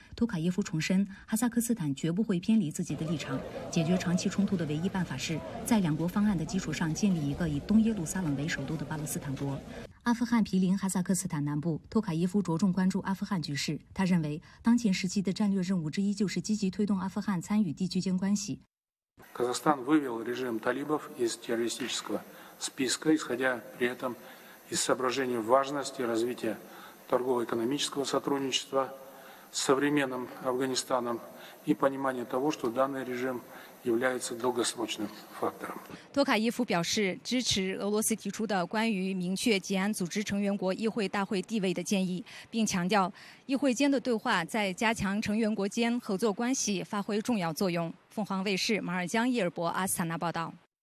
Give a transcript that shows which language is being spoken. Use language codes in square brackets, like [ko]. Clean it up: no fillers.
[zh] 托卡耶夫重申，哈萨克斯坦绝不会偏离自己的立场，解决长期冲突的唯一办法是在两国方案的基础上建立一个以东耶路撒冷为首都的巴勒斯坦国。阿富汗毗邻哈萨克斯坦南部，托卡耶夫着重关注阿富汗局势，他认为当前时期的战略任务之一就是积极推动阿富汗参与地区间关系。 [ru] Казахстан вывел режим талибов из террористического списка, исходя при этом из соображений важности развития торгово-экономического сотрудничества с современным Афганистаном и понимания того, что данный режим является долгосрочным фактором. [zh] 托卡耶夫表示支持俄罗斯提出的关于明确吉安组织成员国议会大会地位的建议，并强调议会间的对话在加强成员国间合作关系发挥重要作用。凤凰卫视马尔江伊尔伯阿斯坦纳报道。